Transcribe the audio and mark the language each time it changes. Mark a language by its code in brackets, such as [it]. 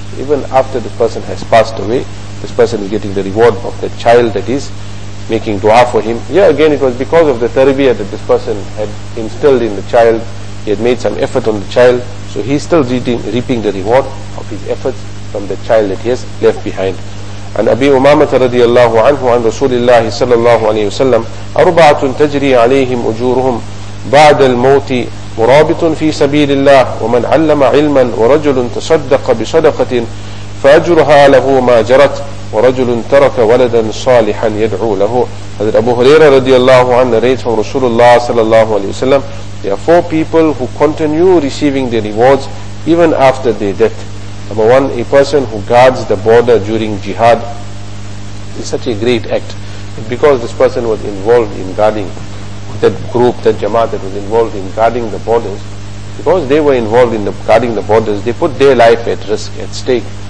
[en] Even after the person has passed away, this person is getting the reward of the child that is making dua for him. Yeah, again, it was because of the tarbiyah that this person had instilled in the child. He had made some effort on the child. So he's still reaping the reward of his efforts from the child that he has left behind. [ar] عن أبي أمامة رضي الله عنه عن رسول الله صلى الله عليه وسلم أربعة تجري عليهم أجورهم بعد الموت مرابط في سبيل الله ومن علم علما ورجل تصدق بصدقة فأجرها له ما جرت ورجل ترك ولدا صالحا يدعو له. هذا أبو هريرة رضي الله عنه رأيت من رسول الله صلى الله عليه وسلم. [en] There are four people who continue receiving their rewards even after their death. Number one, a person who guards the border during jihad is such a great act. Because this person was involved in guarding that group, that jamaat that was involved in guarding the borders, because they were involved in guarding the borders, they put their life at risk, at stake.